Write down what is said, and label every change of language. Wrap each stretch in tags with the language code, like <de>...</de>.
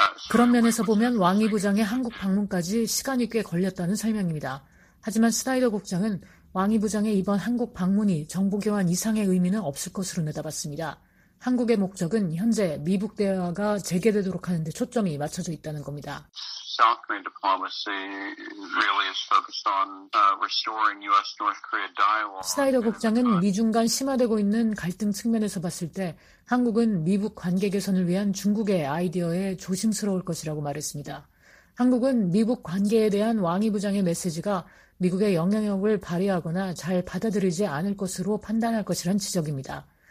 <ko>그런 면에서 보면 왕이 부장의 한국 방문까지 시간이 꽤 걸렸다는 설명입니다. 하지만 스나이더 국장은 왕이 부장의 이번 한국 방문이 정보 교환 이상의 의미는 없을 것으로 내다봤습니다. 한국의 목적은 현재 미북 대화가 재개되도록 하는 데 초점이 맞춰져 있다는 겁니다.</ko> <en>South Korean diplomacy really is focused on restoring U.S. North Korea dialogue.</en> <ko>스나이더 국장은 미중 간 심화되고 있는 갈등 측면에서 봤을 때 한국은 미북 관계 개선을 위한 중국의 아이디어에 조심스러울 것이라고 말했습니다. 한국은 미북 관계에 대한 왕이 부장의 메시지가 미국의 영향력을 발휘하거나 잘 받아들이지 않을 것으로 판단할 것이란 지적입니다.</ko>